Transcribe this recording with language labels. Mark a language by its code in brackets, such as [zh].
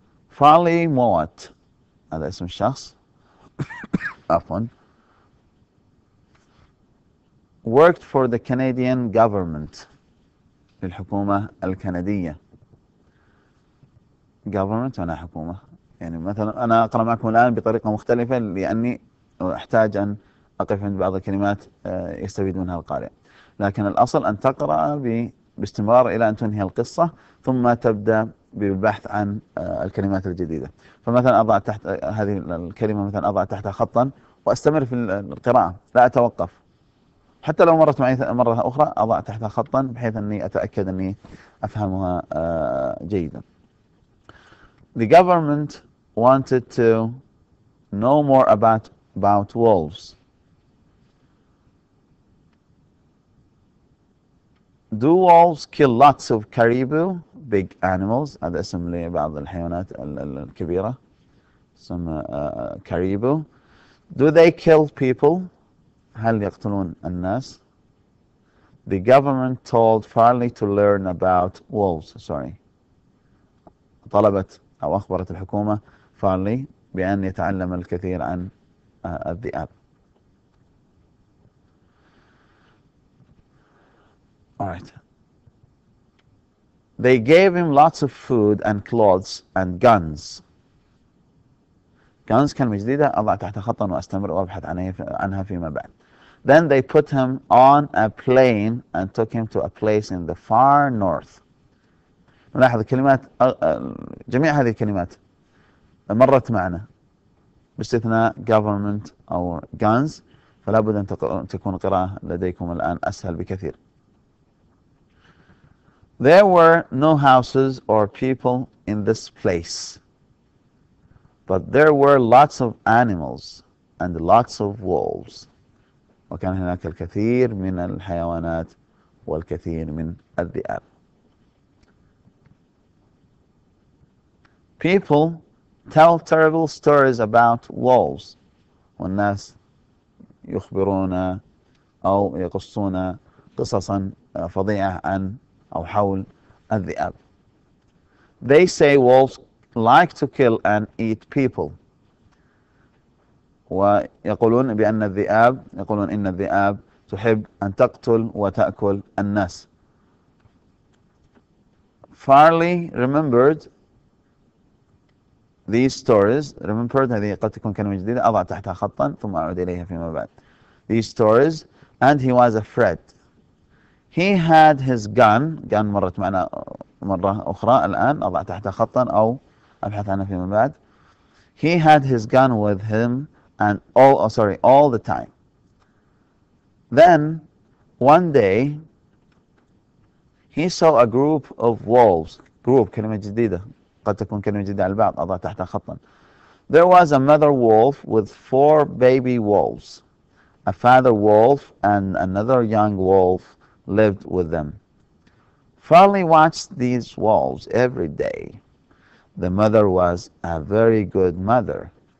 [ar] Farley Mowat، هذا اسم الشخص، عفوا، [en] worked for the Canadian government، [ar] للحكومة الكندية. government أنا حكومة، يعني مثلا أنا أقرأ معكم الآن بطريقة مختلفة لأني أحتاج أن أقف عند بعض الكلمات يستفيد منها القارئ، لكن الأصل أن تقرأ باستمرار إلى أن تنهي القصة ثم تبدأ بالبحث عن الكلمات الجديدة. فمثلا أضع تحت هذه الكلمة، مثلا أضع تحتها خطا وأستمر في القراءة، لا أتوقف، حتى لو مرت معي مرة أخرى أضع تحتها خطا بحيث أني أتأكد أني أفهمها جيدا. [en] The government wanted to know more about wolves. Do wolves kill lots of caribou, big animals? [ar] هذا اسم لبعض الحيوانات الكبيرة، اسم caribou. [en] Do they kill people? [ar] هل يقتلون الناس؟ [en] The government told Farley to learn about wolves. Sorry. [ar] طلبت أو أخبرت الحكومة فارلي بأن يتعلم الكثير عن الذئاب. [en] Alright. They gave him lots of food and clothes and guns. [ar] Guns كلمة جديدة أضع تحت خطا وأستمر وأبحث عنها فيما بعد. [en] Then they put him on a plane and took him to a place in the far north. [ar] نلاحظ الكلمات، جميع هذه الكلمات مرت معنا باستثناء government أو guns، فلا بد أن تكون القراءة لديكم الآن أسهل بكثير. [en] There were no houses or people in this place, but there were lots of animals and lots of wolves. [ar] وكان هناك الكثير من الحيوانات والكثير من الذئاب. [en] People tell terrible stories about wolves. [ar] والناس يخبرون أو يقصون قصصا فظيعة عن أو حول الذئاب. [en] They say wolves like to kill and eat people. [ar] ويقولون بأن الذئاب، يقولون إن الذئاب تحب أن تقتل وتأكل الناس. [en] Farley remembered these stories. [ar] Remembered هذه قد تكون كلمة جديدة، أضع تحتها خطا ثم أعود إليها فيما بعد. [en] These stories and he was afraid. He had his gun. [ar] Gun مرت معنا مرة أخرى الآن، أضع تحتها خطا أو أبحث عنها فيما بعد. [en] He had his gun with him and all, oh sorry, all the time. Then one day he saw a group of wolves. [ar] Group كلمة جديدة، قد تكون كلمة جديدة على البعض، أضع تحتها خطا. [en] There was a mother wolf with four baby wolves. A father wolf and another young wolf lived with them. Farley watched these wolves every day. The mother was a very good mother.